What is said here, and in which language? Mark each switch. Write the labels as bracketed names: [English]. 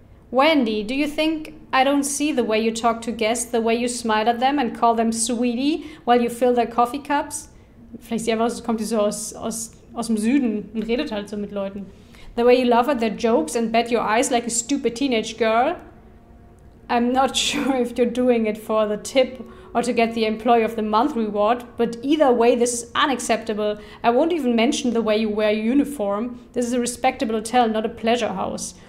[English] Wendy, do you think I don't see the way you talk to guests, the way you smile at them and call them sweetie while you fill their coffee cups? [German] Vielleicht sie einfach, kommt die so aus dem Süden und redet halt so mit Leuten. [English] The way you laugh at their jokes and bat your eyes like a stupid teenage girl. I'm not sure if you're doing it for the tip or to get the Employee of the Month reward, but either way, this is unacceptable. I won't even mention the way you wear your uniform. This is a respectable hotel, not a pleasure house.